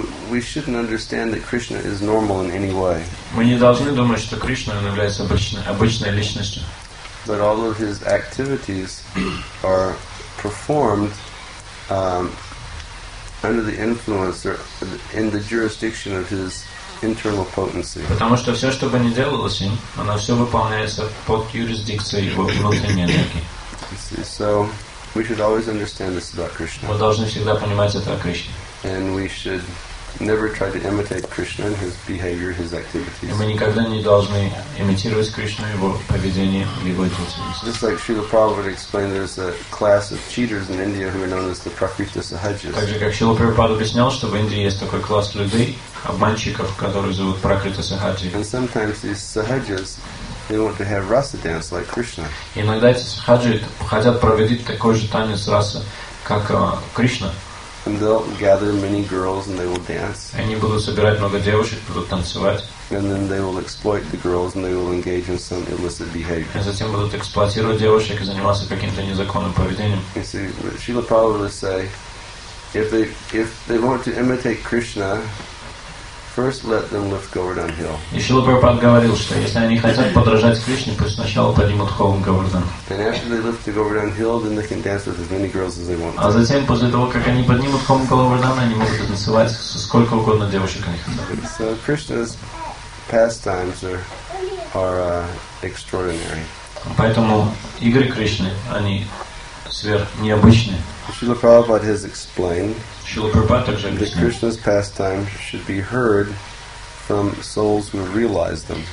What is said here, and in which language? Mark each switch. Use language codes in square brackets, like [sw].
[en] We shouldn't understand that Krishna is normal in any way. [ru] Мы не должны думать, что Кришна является обычной личностью. [en] But all of his activities are performed under the influence or in the jurisdiction of his internal potency. [ru] Потому что все, что бы ни делалось им, оно все выполняется под юрисдикцией его внутренней энергии. [en] So we should always understand this about Krishna. [ru] Мы должны всегда понимать это о Кришне. [en] And we should never try to imitate Krishna and his behavior, his activities. [ru] Мы никогда не должны имитировать Кришну, его поведение, его деятельность. [en] Just like Srila Prabhupada explained, there's a class of cheaters in India who are known as the Prakriti Sahajas. [ru] Так же, как Шрила Прабхупада объяснял, что в Индии есть такой класс людей, обманщиков, которые зовут Пракрита Сахаджи. [en] And sometimes these Sahajas, they want to have Rasa dance like Krishna. [ru] Иногда эти Сахаджи хотят проводить такой же танец Раса, как Кришна. [en] And they'll gather many girls and they will dance. [ru] Они будут собирать много девушек, будут танцевать. [en] And then they will exploit the girls and they will engage in some illicit behavior. [ru] И затем будут эксплуатировать девушек и заниматься каким-то незаконным поведением. [en] You see, Srila Prabhupada would say, if they want to imitate Krishna, first let them lift Govardhan Hill. [ru] И Шрила Прабхупада говорил, что если они хотят подражать Кришне, пусть сначала поднимут холм Говардхан. [en] Then after they lift the Govardhan Hill, then they can dance with as many girls as they want. [ru] А затем после того, как они поднимут холм Говардхан, они могут танцевать сколько угодно девушек они хотят. [en] So Krishna's pastimes are extraordinary. [ru] Поэтому игры Кришны они сверх необычные. [en] Srila Prabhupada has explained that Krishna's pastimes should be heard from souls who realize them.